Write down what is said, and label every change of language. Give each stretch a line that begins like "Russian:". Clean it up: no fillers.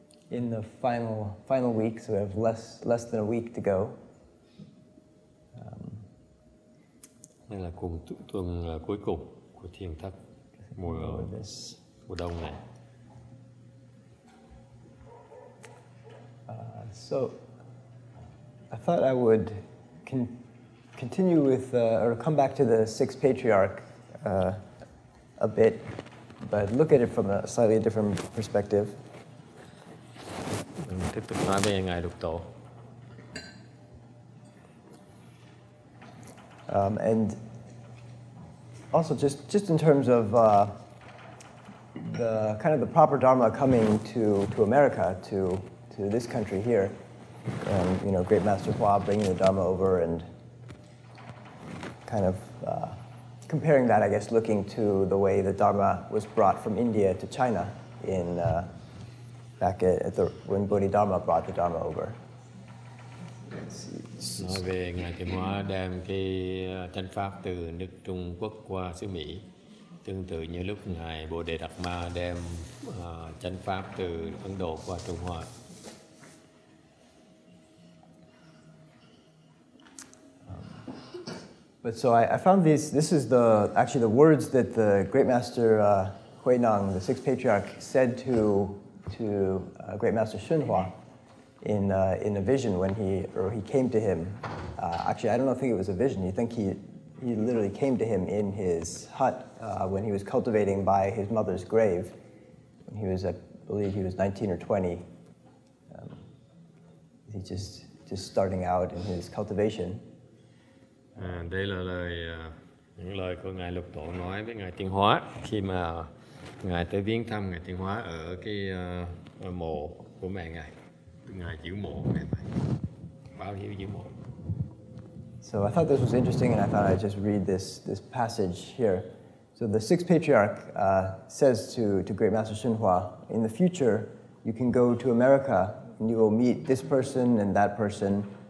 English: In the final week, so we have less than a week to go.
Vietnamese: Đây là cùng tuần cuối cùng của thiền thất mùa đông này.
English: So I thought I would continue with or come back to the sixth patriarch a bit, but look at it from a slightly different perspective.
Vietnamese: Tiếp tục nói về ngài lục tổ.
English: And also just in terms of the kind of the proper dharma coming to America to this country here, you know, great master Hua bringing the dharma over and kind of comparing that, I guess, looking to the way the dharma was brought from India to China in back at the when Bodhidharma brought the Dharma over.
Vietnamese: Nói về ngài Thiện Hóa đem cái chánh pháp từ nước Trung Quốc qua xứ Mỹ, tương tự như lúc ngài Bồ Đề Đạt Ma đem chánh pháp từ Ấn Độ qua Trung Hoa.
English: But so I found these. This is the actually the words that the Great Master Huệ Năng, the Sixth Patriarch, said to Great Master Xunhua in a vision when he came to him. Actually, I don't think it was a vision. You think he literally came to him in his hut when he was cultivating by his mother's grave. When he was, I believe he was 19 or 20. He just starting out in his cultivation.
Vietnamese: Đây là lời những lời của Ngài Lục Tổ nói với Ngài Thiện Hóa khi mà Ngài tới viếng thăm Ngài Thiện Hóa ở cái mộ của mẹ Ngài. Ngài giữ mộ mẹ Ngài. Báo hiếu giữ mộ.
English: So I thought this was interesting and I thought I'd just read this passage here. So the sixth patriarch says to Great Master Xunhua, in the future, you can go to America and you will meet this person and that person.